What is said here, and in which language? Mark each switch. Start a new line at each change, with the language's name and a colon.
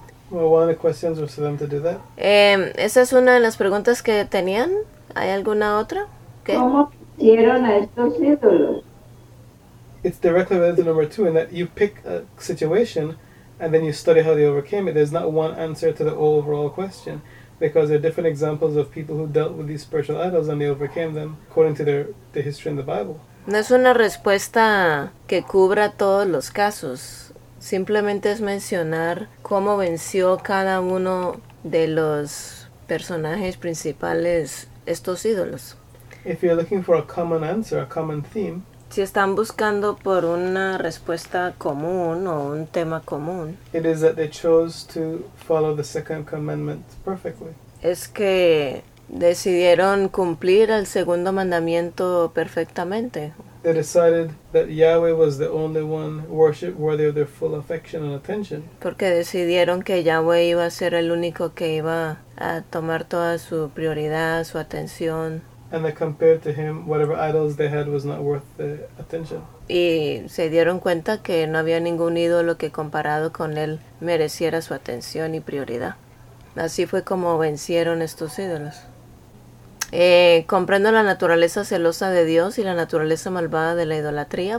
English: Well, one of the questions was for them to do that.
Spanish: Esa es una de las preguntas que tenían. ¿Hay alguna otra? ¿Qué? ¿Cómo hicieron a estos ídolos?
English: It's directly related to number two, in that you pick a situation and then you study how they overcame it. There's not one answer to the overall question, because there are different examples of people who dealt with these spiritual idols and they overcame them according to the history in the Bible.
Spanish: No es una respuesta que cubra todos los casos. Simplemente es mencionar cómo venció cada uno de los personajes principales estos ídolos.
English: If you're looking for a common answer, a common theme,
Spanish: si están buscando por una respuesta común o un tema común,
English: it is that they chose to follow the second commandment perfectly.
Spanish: Es que decidieron cumplir el segundo mandamiento perfectamente.
English: They decided that Yahweh was the only one worship worthy of their full affection and attention.
Spanish: Porque decidieron que Yahweh iba a ser el único que iba a tomar toda su prioridad, su atención.
English: And that compared to him, whatever idols they had was not worth the attention.
Spanish: Y se dieron cuenta que no había ningún ídolo que comparado con él mereciera su atención y prioridad. Así fue como vencieron estos ídolos. Comprendo la naturaleza celosa de Dios y la naturaleza malvada de la idolatría.